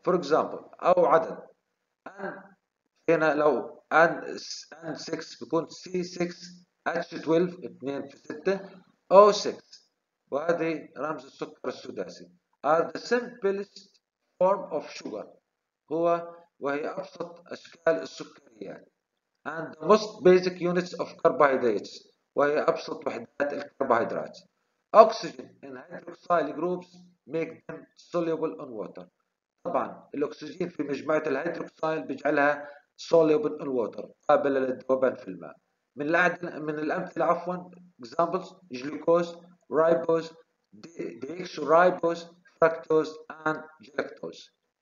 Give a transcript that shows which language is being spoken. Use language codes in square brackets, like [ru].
[en] For example [ar] أو عدد N، هنا لو N 6 بيكون C6H12 2 في 6 O6، وهذه رمز السكر السداسي. [en] Are the simplest form of sugar، [ar] هو وهي أبسط أشكال السكريات. [en] And the most basic units of carbohydrates، [ar] وهي أبسط وحدات الكربوهيدرات. [en] Oxygen and hydroxyl groups make them soluble in water. [ar] طبعا الأكسجين في مجموعة الهيدروكسيل بيجعلها [en] soluble in water، [ar] قابلة للذوبان في الماء. من الأمثلة عفوا examples جلوكوز، ريبوز، ديكسوريبوز، فركتوز and جلكتوز.